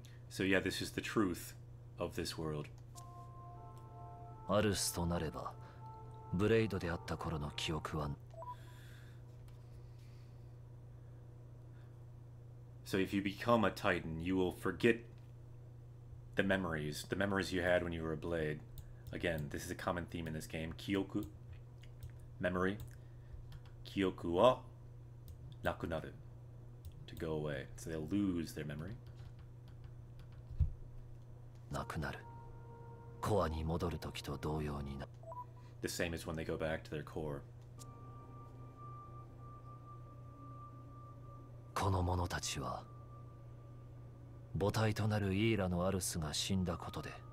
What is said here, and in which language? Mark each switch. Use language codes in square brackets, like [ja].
[en] So yeah, this is the truth of this world. [ja] アルスとなればブレイドであった頃の記憶は。 [en] So if you become a Titan, you will forget the memories you had when you were a blade. Again, this is a common theme in this game. [ja] 記憶 memory. 記憶はなくなる。 [en] to go away, so they'll lose their memory. The same as when they go back to their core. [ja] この者たちは母体となるイーラのアルスが死んだことで。